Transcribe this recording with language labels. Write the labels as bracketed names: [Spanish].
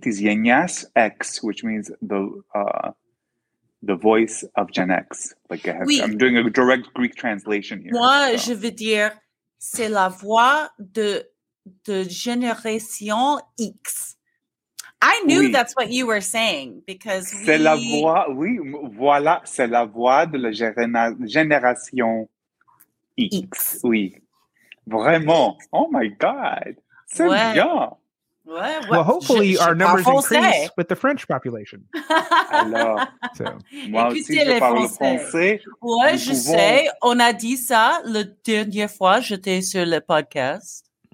[Greek] tis genias ex, [English] which means the voice of Gen X. Like I'm doing a direct Greek translation here. Moi, so. [French] Je veux dire, c'est la voix de génération X. [English] I knew that's what you were saying because [French] c'est la voix. Oui, voilà, c'est la voix de la génération X. Oui. Vraiment. [English] Oh, my God. [French] C'est bien. [English] What? Well, hopefully our numbers increase with the French population. [French] Alors, so. Écoutez, les Français. Ouais, je sais. On a dit ça la dernière fois j'étais sur le podcast.